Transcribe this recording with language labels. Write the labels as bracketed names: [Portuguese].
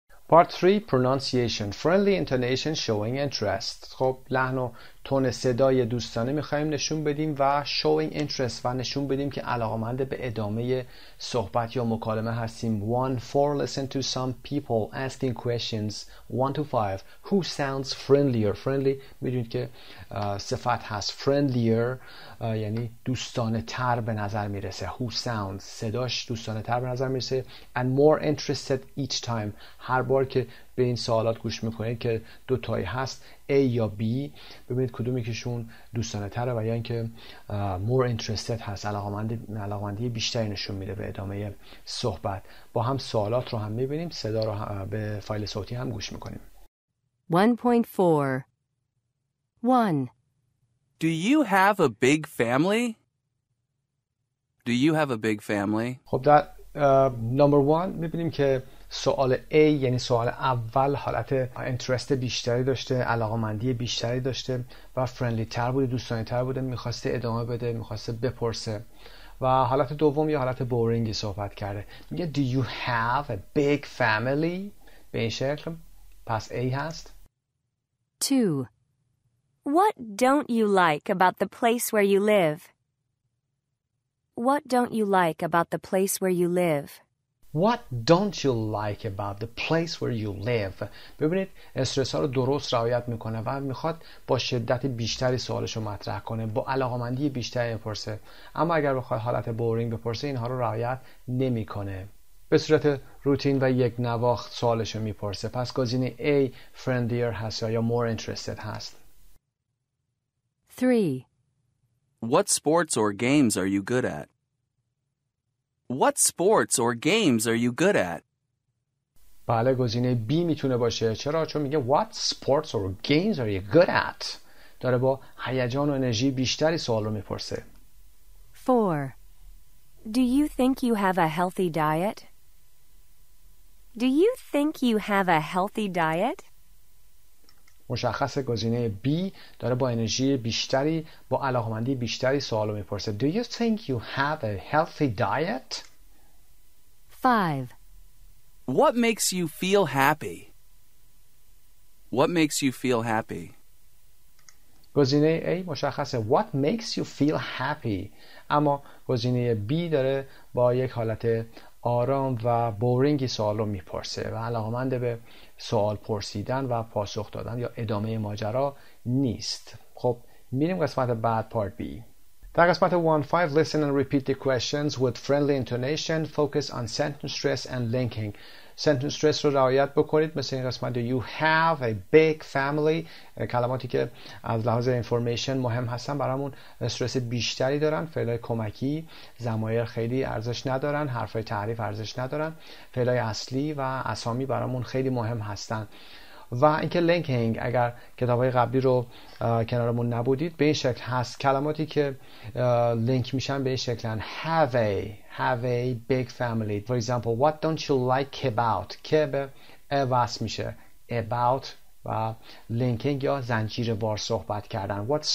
[English] Part 3 pronunciation friendly intonation showing interest. [Persian] خب لحن و تون صدای دوستانه میخواییم نشون بدیم و showing interest و نشون بدیم که علاقمند به ادامه صحبت یا مکالمه هستیم. [English] 1-4 listen to some people asking questions. 1-5 who sounds friendlier. [Persian] friendly میدونید که صفت هست، friendlier یعنی دوستانه تر به نظر میرسه، who sounds صداش دوستانه تر به نظر میرسه. [English] and more interested each time، [Persian] هر بار که به این سوالات گوش میکنید که دو تایی هست، A یا B، ببینید کدومی کهشون دوستانه تره و یا اینکه more interested هست، علاقمندی بیشتری نشون میده به ادامه صحبت. با هم سوالات رو هم میبینیم، صدا رو هم به فایل صوتی هم گوش میکنیم. 1.4 1 [English] Do you have a big family? Do you have a big family? [Persian] خب در number 1 میبینیم که سوال A یعنی سوال اول حالت interest بیشتری داشته، علاقمندی بیشتری داشته و friendly تر بوده، دوستانه تر بوده، میخواسته ادامه بده، میخواسته بپرسه. و حالت دوم یا حالت boringی صحبت کرده، میگه [English] Do you have a big family؟ [Persian] به این شکل. پس A هست. [English] 2 What don't you like about the place where you live? What don't you like about the place where you live? What don't you like about the place where you live? [Persian] ببینید استرس ها رو درست رعایت میکنه و میخواد با شدت بیشتری سوالش رو مطرح کنه، با علاقمندی بیشتری بپرسه. اما اگر بخواد حالت بورینگ بپرسه اینها رو رعایت نمیکنه، به صورت روتین و یک نواخت سوالش رو میپرسه. پس گزینه A friendlier هست یا more interested هست. 3 [English] What sports or games are you good at? What sports or games are you good at? [Persian] بله گزینه B میتونه باشه. چرا؟ چون میگه [English] What sports or games are you good at؟ [Persian] داره با هیجان و انرژی بیشتری سوال رو میپرسه. [English] 4 Do you think you have a healthy diet? Do you think you have a healthy diet? [Persian] مشخص گزینه B داره با انرژی بیشتری، با علاقمندی بیشتری سوال رو میپرسه. [English] Do you think you have a healthy diet? 5 What makes you feel happy? What makes you feel happy? [Persian] گزینه A مشخصه [English] What makes you feel happy؟ [Persian] اما گزینه B داره با یک حالت آرام و بورینگی سوال رو میپرسه و علاقمنده به سوال پرسیدن و پاسخ دادن یا ادامه ماجرا نیست. خب میریم قسمت بعد، پارت B. در قسمت [English] 1-5 listen and repeat the questions with friendly intonation, focus on sentence stress and linking. [Persian] Sentence stress رو رعایت بکنید، مثل این قسمت [English] You have a big family، [Persian] کلماتی که از لحاظ information مهم هستن برامون استرس بیشتری دارن، فعلای کمکی ضمایر خیلی ارزش ندارن، حرفای تعریف ارزش ندارن، فعلای اصلی و اسامی برامون خیلی مهم هستن. و اینکه لینکینگ، اگر کتابای قبلی رو کنارمون نبودید، به این شکل هست، کلماتی که لینک میشن به این شکلن. [English] Have a big family. For example, what don't you like about? [Persian] که به اواس میشه. About و لینکینگ یا زنجیره وار صحبت کردن.